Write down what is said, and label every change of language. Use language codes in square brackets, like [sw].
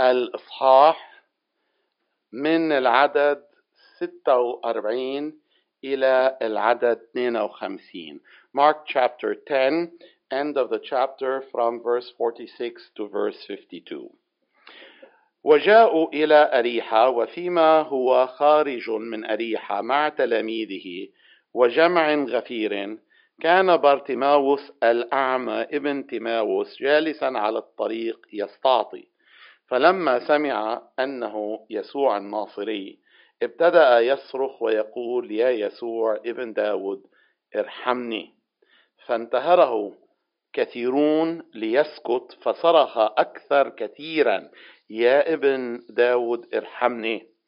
[ar] الإصحاح من العدد 46 إلى العدد 52. [en] Mark chapter 10, end of the chapter from verse 46 to verse 52. [ar] وجاءوا إلى أريحا وفيما هو خارج من أريحا مع تلاميذه وجمع غفير كان بارتماوس الأعمى ابن تماوس جالسا على الطريق يستعطي فلما سمع أنه يسوع الناصري ابتدأ يصرخ ويقول يا يسوع ابن داود ارحمني فانتهره كثيرون ليسكت فصرخ أكثر كثيرا يا ابن داود ارحمني